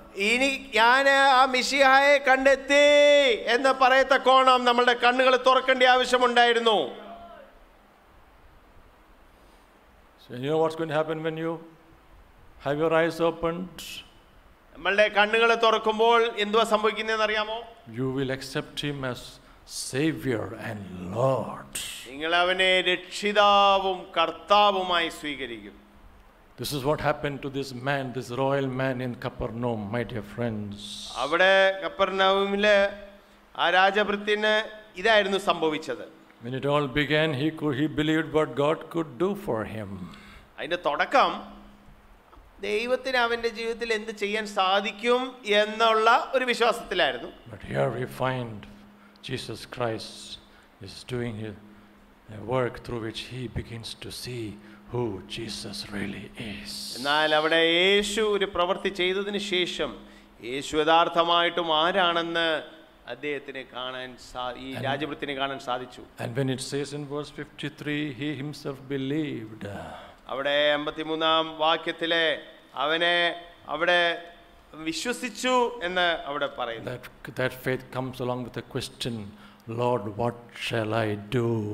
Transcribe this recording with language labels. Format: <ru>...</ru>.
<ml>ഇനി ഞാൻ ആ മിശിഹായെ കണ്ടെത്തി എന്ന് പറയത്തക്കോണം നമ്മളുടെ കണ്ണുകൾ തുറക്കേണ്ടി ആവശ്യമുണ്ടായിരുന്നു.</ml> <en>So you know what's going to happen when you have your eyes opened?</en> <ml>നമ്മളുടെ കണ്ണുകൾ തുറക്കുമ്പോൾ എന്തുവാ സംഭവിക്കുന്നതെന്ന് അറിയാമോ?</ml> <en>You will accept him as savior and lord.</en> <ml>നിങ്ങൾ അവനെ രക്ഷിതാവും കർത്താവുമായി സ്വീകരിക്കും.</ml> <en>This is what happened to this man, this royal man in Capernaum, my dear friends.</en> <ml>അവിടെ കപ്പർനൗമിലെ ആ രാജഭൃത്തിന് ഇതായിരുന്നു സംഭവിച്ചത്.</ml> <en>When it all began, he believed what God could do for him.</en> <ml>അതിന്റെ തുടക്കം ദൈവത്തിന് അവന്റെ ജീവിതത്തിൽ എന്ത് ചെയ്യാൻ സാധിക്കും എന്നുള്ള ഒരു വിശ്വാസത്തിലായിരുന്നു.</ml> <en>But here we find Jesus Christ is doing a work through which he begins to see who Jesus really is.</en> <ml>എന്നാൽ അവിടെ യേശു ഒരു പ്രവൃത്തി ചെയ്തതിനു ശേഷം യേശു യഥാർത്ഥമായിട്ടും ആരാണെന്ന് അദ്ദേഹത്തിനെ കാണാൻ ഈ രാജഭൃത്തിനെ കാണാൻ സാധിച്ചു.</ml> <en>And when it says in verse 53, he himself believed.</en> <ml>അവിടെ 53-ാം വാക്യത്തിലെ അവനെ അവിടെ വിശ്വസിച്ചു എന്ന് അവിടെ പറയുന്നു.</ml> <en>That faith comes along with a question, Lord, what shall I do?</en>